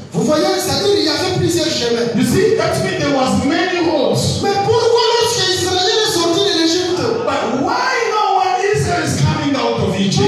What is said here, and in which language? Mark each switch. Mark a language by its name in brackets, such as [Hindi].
[French] Vous voyez, c'est-à-dire il y avait plusieurs chemins. [English] You see, that means there was many roads. [French] Mais pourquoi lorsque Israël est sorti de l'Égypte? [English] But why no one Israel is coming out of Egypt?